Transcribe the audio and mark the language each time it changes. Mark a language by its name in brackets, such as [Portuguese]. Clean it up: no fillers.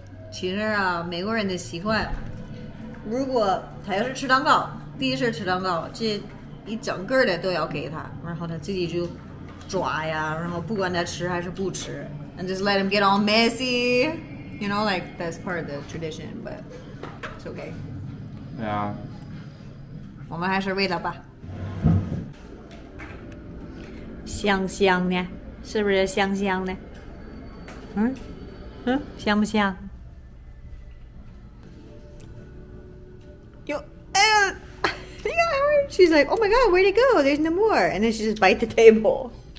[Chinese] 其实啊，美国人的习惯，如果他要是吃蛋糕，第一次吃蛋糕，这一整个的都要给他，然后他自己就抓呀，然后不管他吃还是不吃。 [English] And just let him get all messy, you know, like that's part of the tradition, but it's okay. Yeah. [Chinese] 我们还是喂它吧。香香的，是不是香香的？嗯，嗯，香不香？哟，哎呀 [English] ，Yeah, she's like, oh my god, where'd it go? There's no more, and then she just bite the table.